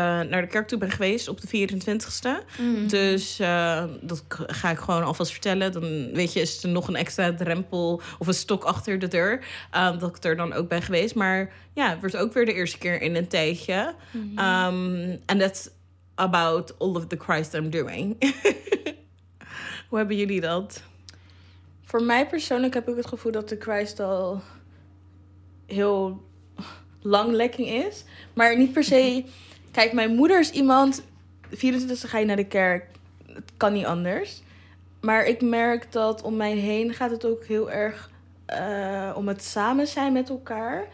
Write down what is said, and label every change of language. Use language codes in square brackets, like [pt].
[nl] naar de kerk toe ben geweest op de 24ste. Dus dat ga ik gewoon alvast vertellen. Dan weet je, is er nog een extra drempel of een stok achter de deur. Dat ik er dan ook ben geweest. Maar ja, het wordt ook weer de eerste keer in een tijdje. [en] And that's about all of the Christ I'm doing. [nl] Hoe hebben jullie dat? Voor mij persoonlijk heb ik het gevoel dat de Christ al heel lang lekking is. Maar niet per se... Kijk, mijn moeder is iemand... 24e ga je naar de kerk. het kan niet anders. Maar ik merk dat om mij heen gaat het ook heel erg om het samen zijn met elkaar.